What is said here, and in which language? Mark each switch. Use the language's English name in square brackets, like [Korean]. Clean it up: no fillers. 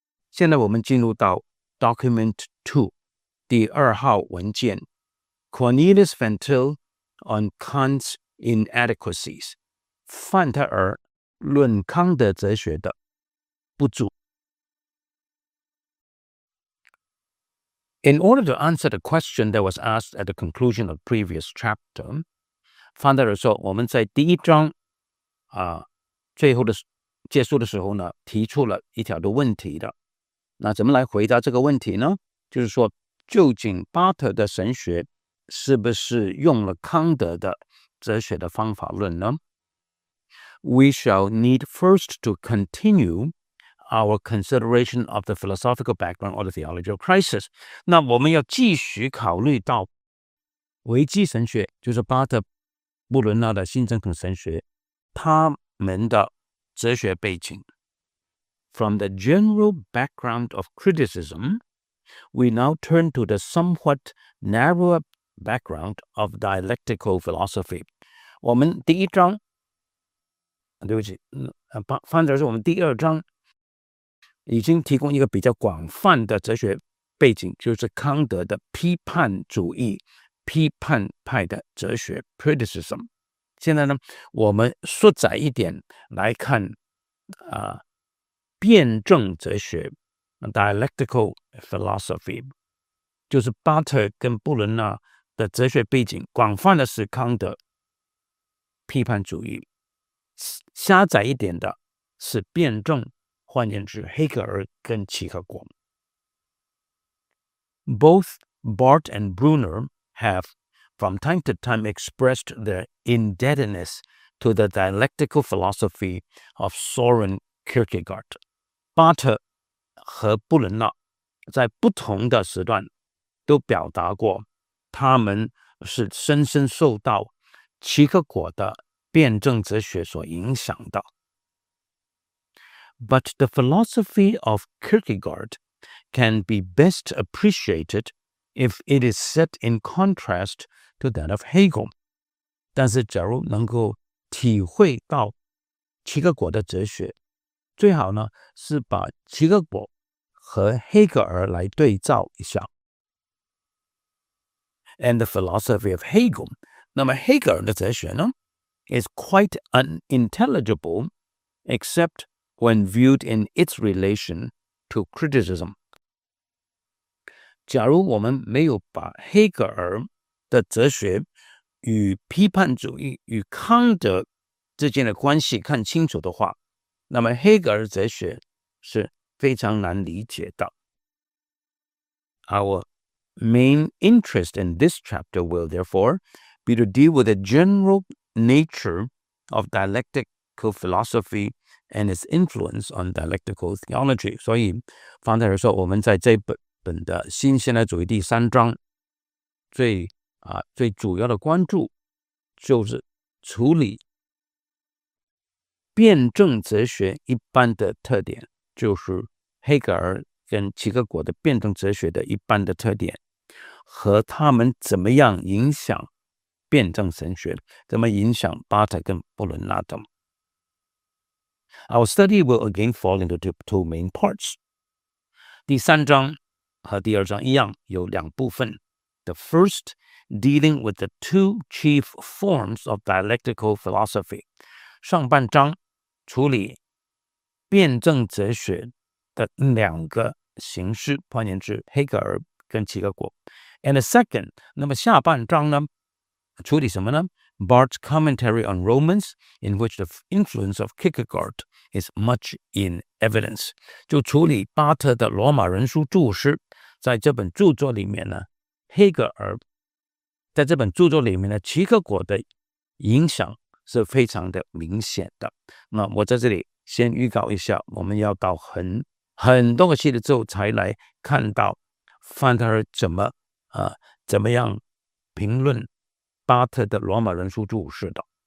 [Chinese] 现在我们进入到 Document 2第二号文件 [English] Cornelius Van Til on Kant's Inadequacies [Chinese] 范特尔论康德哲学的不足。 [English] In order to answer the question that was asked at the conclusion of the previous chapter, [Chinese] 范德尔说我们在第一章最后的结束的时候呢提出了一条的问题的。那怎么来回答这个问题呢？就是说究竟巴特的神学是不是用了康德的哲学的方法论呢？ [English] We shall need first to continue our consideration of the philosophical background or the theology of crisis. [Chinese] 那我们要继续考虑到维基神学，就是巴特布伦纳的新正统神学，他们的哲学背景。 [English] From the general background of criticism, we now turn to the somewhat narrower background of dialectical philosophy. [Chinese] 我们第一章，对不起，范德尔是我们第二章已经提供一个比较广泛的哲学背景，就是康德的批判主义，批判派的哲学 criticism。现在呢我们缩窄一点来看辩证哲学 dialectical philosophy， 就是巴特跟布伦纳的哲学背景，广泛的是康德批判主义，狭窄一点的是辩证，换言之黑格尔跟齐克果。 [English] Both Bart and Brunner have from time to time expressed their indebtedness to the dialectical philosophy of Soren Kierkegaard。 [Chinese] 巴特和布伦纳在不同的时段都表达过他们是深深受到齐克果的辩证哲学所影响的。 [English] But the philosophy of Kierkegaard can be best appreciated if it is set in contrast to that of Hegel. [Chinese] 但是假如能够体会到齐克果的哲学，最好呢是把齐克果和黑格尔来对照一下。 [English] And the philosophy of Hegel, [Chinese] 那么黑格尔的哲学呢 [English] is quite unintelligible except when viewed in its relation to criticism. [Chinese] 假如我们没有把黑格尔的哲学与批判主义与康德之间的关系看清楚的话，那么黑格尔哲学是非常难理解的。 [English] Our main interest in this chapter will therefore be to deal with the general nature of dialectical philosophy and its influence on dialectical theology. [Chinese] 所以方丹尔说，我们在这本的新现代主义第三章最主要的关注就是处理辩证哲学一般的特点，就是黑格尔跟齐格果的辩证哲学的一般的特点，和他们怎么样影响辩证神学，怎么影响巴特跟布伦纳等。 [English] Our study will again fall into two main parts. [Chinese] 第三章和第二章一样有两部分。 [English] The first, dealing with the two chief forms of dialectical philosophy. [Chinese] 上半章处理辩证哲学的两个形式，换言之，黑格尔跟齐格果。 [English] And the second, [Chinese] 那么下半章呢，处理什么呢？ [English] Barth's commentary on Romans, in which the influence of Kierkegaard is much in evidence. [Chinese] 就处理巴特的罗马人书注释，在这本著作里面呢，黑格尔在这本著作里面呢，齐格果的影响是非常的明显的。那我在这里先预告一下，我们要到很多个系列之后才来看到范特尔怎么样评论巴特的罗马人书注释的。